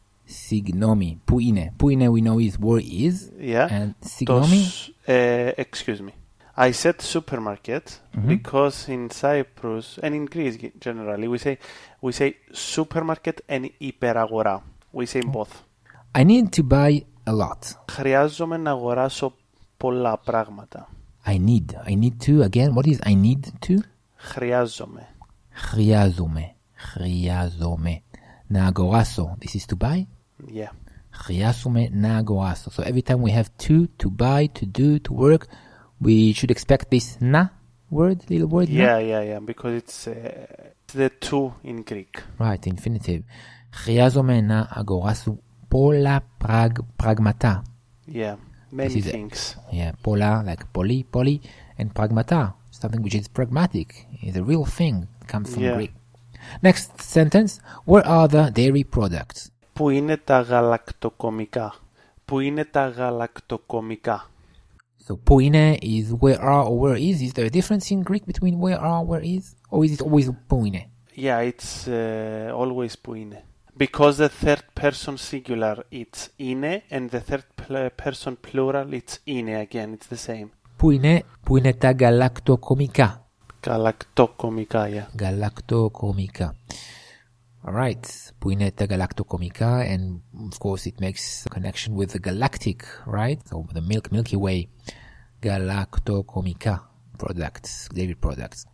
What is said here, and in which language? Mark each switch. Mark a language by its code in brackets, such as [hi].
[el] Signomi, pou ine. Pou ine [en] we know is where is. Yeah. And signomi? Excuse me. I said supermarket because in Cyprus and in Greece generally we say supermarket and hyperagora. We say both. I need to buy a lot. [el] Χρειάζομαι να αγοράσω πολλά πράγματα. [en] I need to, again, what is I need to? [el] Χρειάζομαι. Χρειάζομαι. Να αγοράσω, [en] this is to buy? Yeah. [el] Χρειάζομαι να αγοράσω. [en] So every time we have to buy, to do, to work, we should expect this να word, little word. Yeah, na? yeah, because it's the to in Greek. Right, infinitive. [el] Χρειάζομαι να αγοράσω. Πολλά πράγματα. [en] Yeah, many things. Yeah, πολλά, like πολύ, and πραγματά, something which is pragmatic, is a real thing, comes from Greek. Next sentence, where are the dairy products? [el] Πού είναι τα γαλακτοκομικά? Πού είναι τα γαλακτοκομικά? [en] So, πού είναι is where are or where is. Is there a difference in Greek between where are, where is? Or is it always πού είναι? Yeah, it's always πού είναι. Because the third person singular, it's ine, and the third person plural, it's ine again, it's the same. [el] Πού είναι τα γαλακτοκομικά. Γαλακτοκομικά, yeah. [en] Γαλακτοκομικά. Alright, [el] πού είναι τα γαλακτοκομικά, [en] and of course it makes a connection with the galactic, right? So the Milky Way, γαλακτοκομικά products, dairy products.